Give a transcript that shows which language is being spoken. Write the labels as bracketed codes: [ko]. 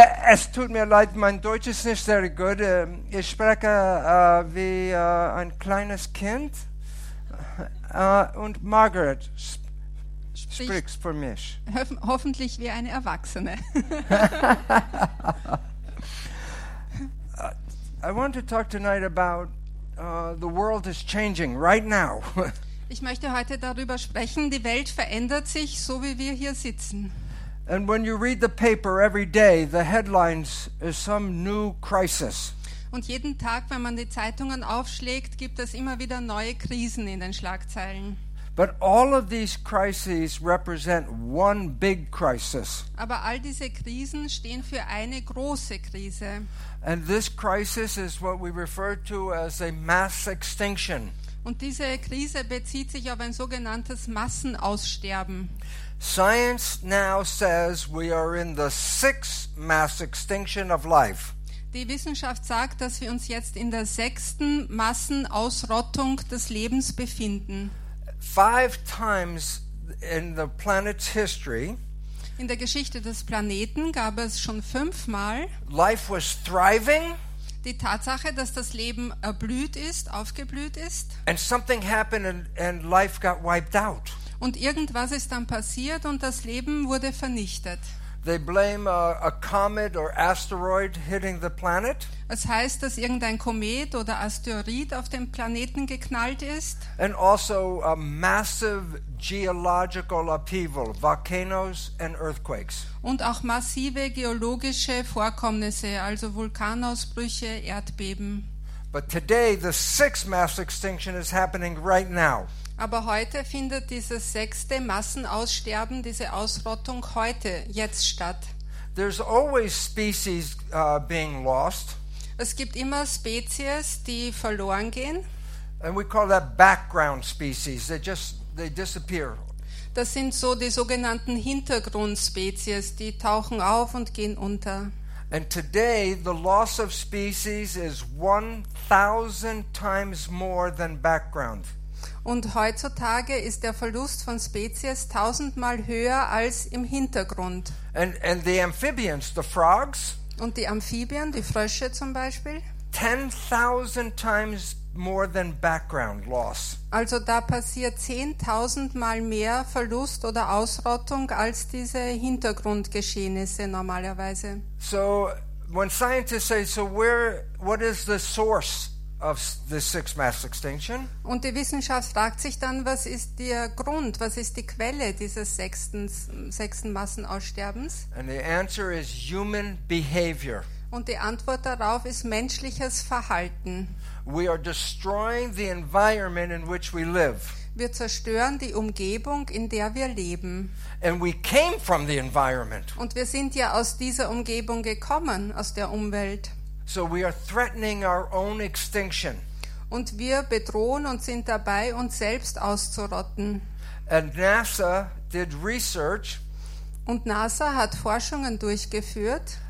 [de] Es tut mir leid, mein Deutsch ist nicht sehr gut. Ich spreche wie ein kleines Kind. Und Margaret sprichst für mich. Hoffentlich wie eine Erwachsene. [en] I want to talk tonight about the world is changing right now. [de] Ich möchte heute darüber sprechen, die Welt verändert sich, so wie wir hier sitzen. [en] And when you read the paper every day, the headlines is some new crisis. [de] Und jeden Tag, wenn man die Zeitungen aufschlägt, gibt es immer wieder neue Krisen in den Schlagzeilen. [en] But all of these crises represent one big crisis. [de] Aber all diese Krisen stehen für eine große Krise. [en] And this crisis is what we refer to as a mass extinction. [de] Und diese Krise bezieht sich auf ein sogenanntes Massenaussterben. [en] Science now says we are in the sixth mass extinction of life. [de] Die Wissenschaft sagt, dass wir uns jetzt in der sechsten Massenausrottung des Lebens befinden. [en] Five times in the planet's history. [de] In der Geschichte des Planeten gab es schon fünfmal. [en] Life was thriving. [de] Die Tatsache, dass das Leben erblüht ist, aufgeblüht ist. [en] And something happened and life got wiped out. [de] Und irgendwas ist dann passiert und das Leben wurde vernichtet. [en] They blame a comet or asteroid hitting the planet. [de] Das heißt, dass irgendein Komet oder Asteroid auf dem Planeten geknallt ist. [en] And also a massive geological upheaval, volcanoes and earthquakes. [de] Und auch massive geologische Vorkommnisse, also Vulkanausbrüche, Erdbeben. [en] But today the sixth mass extinction is happening right now. [de] Aber heute findet dieses sechste Massenaussterben, diese Ausrottung heute, jetzt statt. [en] There's always species being lost. [de] Es gibt immer Spezies, die verloren gehen. [en] And we call that background species. They disappear. [de] Das sind so die sogenannten Hintergrundspezies, die tauchen auf und gehen unter. [en] And today the loss of species is 1,000 times more than background. [de] Und heutzutage ist der Verlust von Spezies 1,000-mal höher als im Hintergrund. [en] And the amphibians, the frogs. [de] Und die Amphibien, die Frösche zum Beispiel. [en] 10,000 times more than background loss. [de] Also da passiert 10,000-mal mehr Verlust oder Ausrottung als diese Hintergrundgeschehnisse normalerweise. [en] So, when scientists say, so where, what is the source of the sixth mass extinction? [de] Und die Wissenschaft fragt sich dann, was ist der Grund, was ist die Quelle dieses sechsten Massenaussterbens? [en] And the answer is human behavior. [de] Und die Antwort darauf ist menschliches Verhalten. [en] We are destroying the environment in which we live. [de] Wir zerstören die Umgebung, in der wir leben. [en] And we came from the environment. [de] Und wir sind ja aus dieser Umgebung gekommen, aus der Umwelt. [en] So we are threatening our own extinction. [de] Und wir bedrohen und sind dabei, uns selbst auszurotten. [en] And NASA did research. [de] Und NASA hat Forschungen durchgeführt.